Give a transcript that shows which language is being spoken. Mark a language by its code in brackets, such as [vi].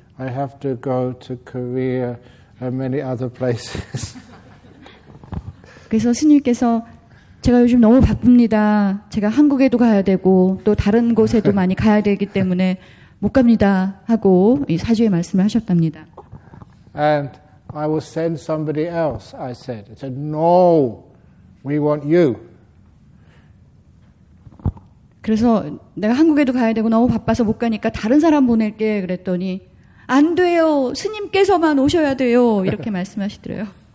[en] I have to go to Korea and many other places." [ko] 그래서 스님께서 제가 요즘 너무 바쁩니다. 제가 한국에도 가야 되고 또 다른 곳에도 많이 가야 되기 때문에 못 갑니다 하고 이 사주에 말씀을 하셨답니다. [en] And I will send somebody else, I said. I said, "No, we want you." [ko] 그래서 내가 한국에도 가야 되고 너무 바빠서 못 가니까 다른 사람 보낼게 그랬더니 안 돼요. 스님께서만 오셔야 돼요. 이렇게 말씀하시더래요.